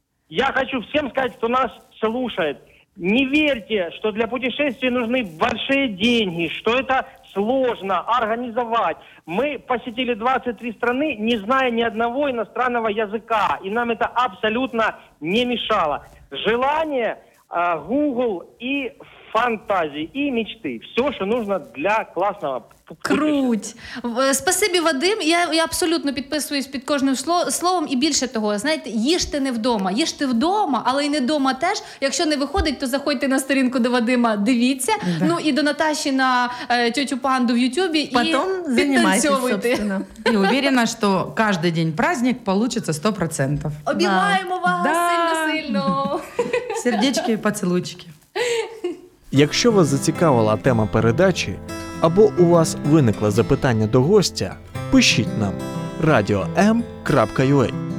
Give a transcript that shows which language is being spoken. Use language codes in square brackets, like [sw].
[ru] Я хочу всем сказать, кто нас слушает, не верьте, что для путешествий нужны большие деньги, что это сложно организовать. Мы посетили 23 страны, не зная ни одного иностранного языка, и нам это абсолютно не мешало. Желание, Google и фантазии, и мечты. Все, что нужно для классного [uk] круть. Спасибі, Вадим. Я абсолютно підписуюсь під кожним словом. І більше того, знаєте, їжте не вдома. Їжте вдома, але й не вдома теж. Якщо не виходить, то заходьте на сторінку до Вадима, дивіться. Да. Ну і до Наташі на тьотю Панду в Ютубі. І потім занімайтеся. І уверена, що кожен день праздник вийде 100%. Обіймаємо да. вас да. сильно-сильно. Сердечки і поцілуйчики. Якщо вас зацікавила тема передачі, або у вас виникло запитання до гостя, пишіть нам radio.m.ua.